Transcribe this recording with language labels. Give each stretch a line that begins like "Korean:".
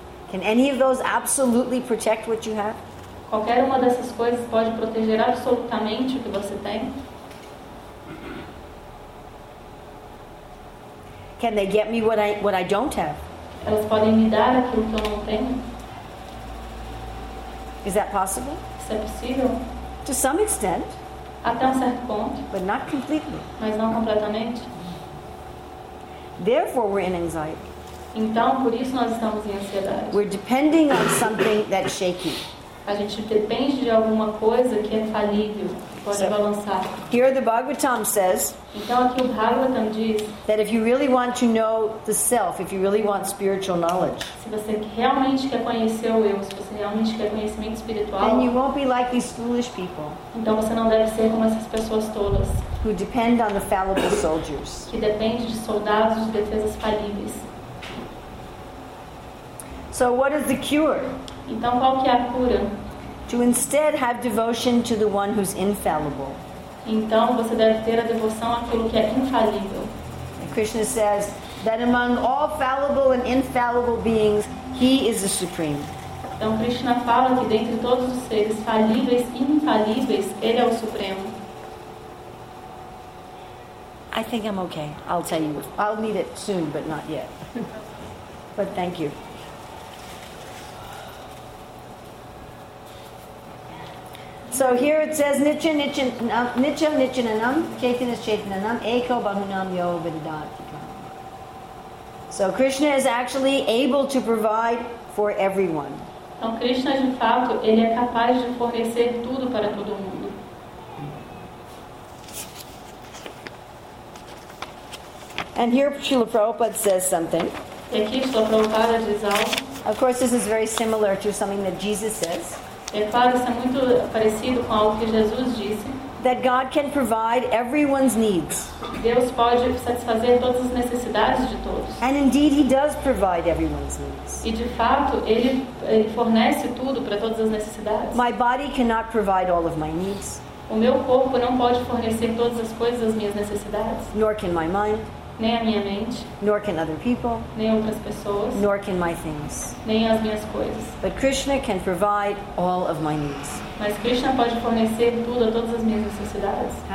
English: Can any of those absolutely protect what you have?
Portuguese: Qualquer uma dessas coisas pode proteger absolutamente o que você tem?
English: Can they get me what I don't have?
Portuguese: Elas podem me dar aquilo que eu não tenho?
English: Is that possible?
Portuguese: Isso é possível?
English: To some extent.
Portuguese: Até um certo ponto.
English: But not completely.
Portuguese: Mas não completamente.
English: Therefore, we're in anxiety.
Portuguese: Então, por isso nós estamos em ansiedade.
English: We're depending on something that's shaky.
Portuguese: A gente depende de alguma coisa que é falível.
English: Here the Bhagavatam says,
Portuguese: então, aqui o Bhagavatam diz,
English: that if you really want to know the self, if you really want spiritual knowledge,
Portuguese: se você realmente quer conhecer o eu, se você realmente quer conhecimento espiritual,
English: then you won't be like these foolish people,
Portuguese: então você não deve ser como essas pessoas tolas,
English: who depend on the fallible soldiers,
Portuguese: que depende de soldados de defesas falíveis.
English: So what is the cure?
Portuguese: Então qual que é a cura?
English: To instead have devotion to the one who's infallible.
Portuguese: Então você deve ter a devoção àquilo que é infalível.
English: And Krishna says that among all fallible and infallible beings, he is the supreme.
Portuguese: Então Krishna fala que dentre todos os seres falíveis e infalíveis, ele é o supremo.
English: I think I'm okay. I'll tell you. I'll need it soon, but not yet. But thank you. So here it says
Sanskrit: nitya nityananam chaitanya chaitananam eko bahunam yo vidyatikam.
English: So Krishna is actually able to provide for everyone.
Portuguese: Então Krishna de fato ele é capaz de fornecer tudo para todo mundo.
English: And here Srila Prabhupada says something.
Portuguese: E aqui Srila Prabhupada diz algo.
English: Of course this is very similar to something that Jesus says.
Portuguese: É claro, isso é muito parecido com algo que Jesus disse.
English: That God can provide everyone's needs.
Portuguese: Deus pode satisfazer todas as necessidades de todos.
English: And indeed he does provide everyone's needs.
Portuguese: E de fato, ele fornece tudo para todas as necessidades.
English: My body cannot provide all of my needs.
Portuguese: O meu corpo não pode fornecer todas as coisas, as minhas necessidades.
English: Nor can my mind.
Portuguese: Nem a minha mente.
English: Nor can other people.
Portuguese: Nem outras pessoas.
English: Nor can my things.
Portuguese: Nem as minhas coisas.
English: But Krishna can provide all of my needs.
Portuguese: Mas Krishna pode fornecer tudo a todas as minhas necessidades.